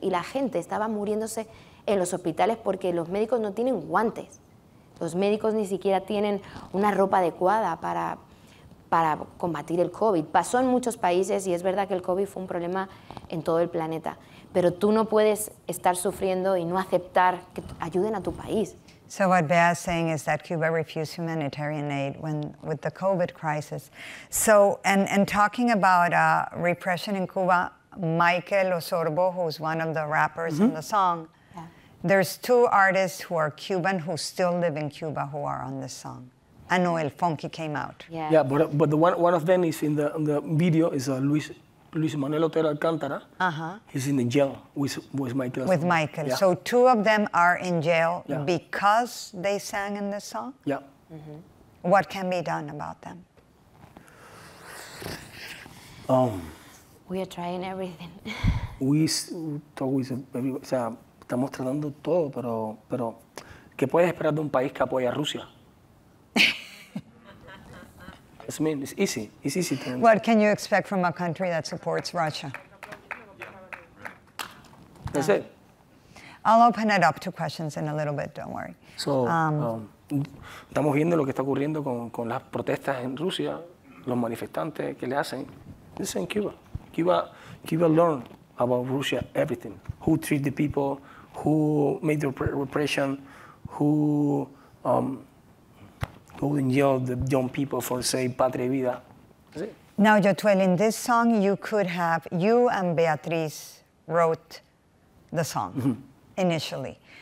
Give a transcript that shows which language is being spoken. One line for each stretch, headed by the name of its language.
Spanish: Y la gente estaba muriéndose en los hospitales porque los médicos no tienen guantes. Los médicos ni siquiera tienen una ropa adecuada para combatir el COVID. Pasó en muchos países y es verdad que el COVID fue un problema en todo el planeta. Pero tú no puedes estar sufriendo y no aceptar que ayuden a tu país.
English: So what Bea is saying is that Cuba refused humanitarian aid with the COVID crisis. So, and talking about repression in Cuba, Michael Osorbo, who's one of the rappers mm-hmm. in the song, There's two artists who are Cuban who still live in Cuba who are on this song. I know El Funky came out. Yeah, yeah, but the one of them is in the video is Luis Manuel Otero Alcantara. Uh-huh. He's in the jail with Michael. With Michael. Yeah. So two of them are in jail because they sang in this song? Yeah. Mm-hmm. What can be done about them? We are trying everything. We talk with everybody.
Spanish: Estamos tratando todo, pero ¿qué puedes esperar de un país que apoya a Rusia?
English: I mean, it's easy. It's easy to... What can you expect from a country that supports Russia? That's it. I'll open it up to questions in a little bit, don't worry. So,
Spanish: estamos viendo lo que está ocurriendo con las protestas en Rusia, los manifestantes que le hacen.
English: This is in Cuba. Cuba learned about Russia, everything. Who treat the people, who made the repression, who in jail the young people for, say, Patria y Vida. Now, Yotuel, in this song, you and Beatriz wrote the song initially.